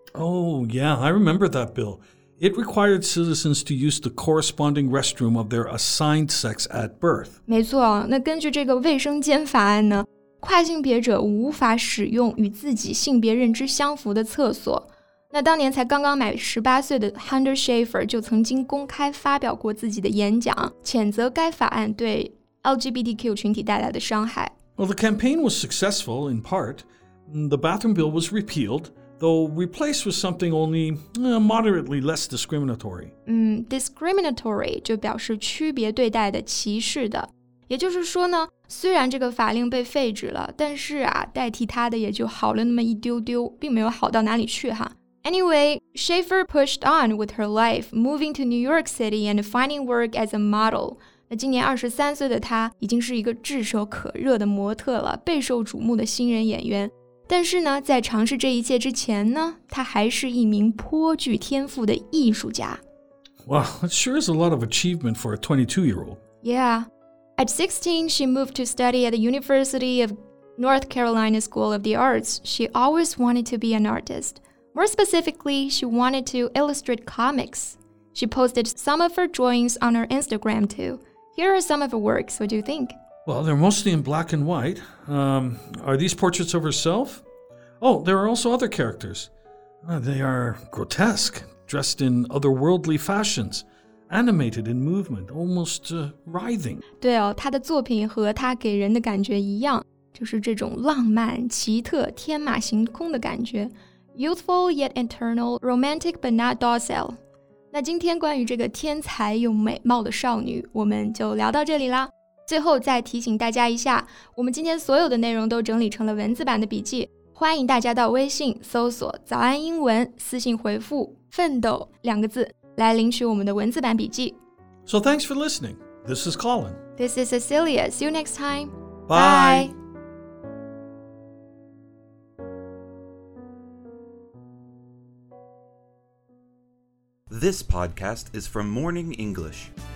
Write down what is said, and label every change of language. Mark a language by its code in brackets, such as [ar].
[en] Oh yeah, I remember that bill. It required citizens to use the corresponding restroom of their assigned sex at birth. [zh] 没错，那根据这个卫生间法案呢，跨性别者无法使用与自己性别认知相符的厕所。那当年才刚刚满18岁的 Hunter Shaffer 就曾经公开发表过自己的演讲，谴责该法案对 LGBTQ 群体带来的伤害。 [en] Well, the campaign was successful in part. The bathroom bill was repealed. Though replaced with something only moderately less discriminatory. [zh] Discriminatory 就表示区别对待的、歧视的。也就是说呢，虽然这个法令被废止了，但是啊，代替它的也就好了那么一丢丢，并没有好到哪里去哈。 [en] Anyway, Shaffer pushed on with her life, moving to New York City and finding work as a model. [zh] 那今年23岁的她已经是一个炙手可热的模特了，备受瞩目的新人演员。但是呢，在尝试这一切之前呢，他还是一名颇具天赋的艺术家。 [en] Wow, that sure is a lot of achievement for a 22-year-old. Yeah. At 16, she moved to study at the University of North Carolina School of the Arts. She always wanted to be an artist. More specifically, she wanted to illustrate comics. She posted some of her drawings on her Instagram too. Here are some of her works, what do you think? Well, they're mostly in black and white. Are these portraits of herself? Oh, there are also other characters. They are grotesque, dressed in otherworldly fashions, animated in movement, almost writhing. [zh] 对哦，她的作品和她给人的感觉一样，就是这种浪漫、奇特、天马行空的感觉。 [en] Youthful yet internal, romantic but not docile. [zh] 那今天关于这个天才又美貌的少女，我们就聊到这里啦。最后再提醒大家一下，我们今天所有的内容都整理成了文字版的笔记，欢迎大家到微信搜索早安英文，私信回复奋斗两个字来领取我们的文字版笔记。 [en] So thanks for listening. This is Colin. This is Cecilia. See you next time. Bye. This podcast is from Morning English.